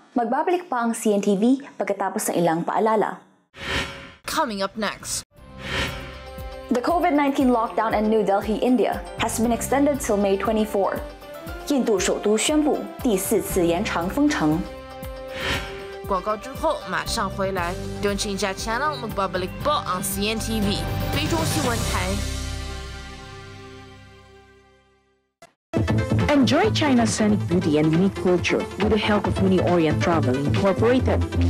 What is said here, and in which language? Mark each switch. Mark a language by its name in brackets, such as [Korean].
[Filipino] Magbabalik pa ang CNTV pagkatapos ng ilang paalala. [English] Coming up next. The COVID-19 lockdown in New Delhi, India has been extended till May 24. [Chinese] 印度首都宣布第四次延长封城。广告之后马上回来。 [English] Don't change that channel, [Filipino] Magbabalik pa ang CNTV, [Chinese] 非中新闻台。 [English] Enjoy China's scenic beauty and unique culture with the help of Uni Orient Travel Incorporated.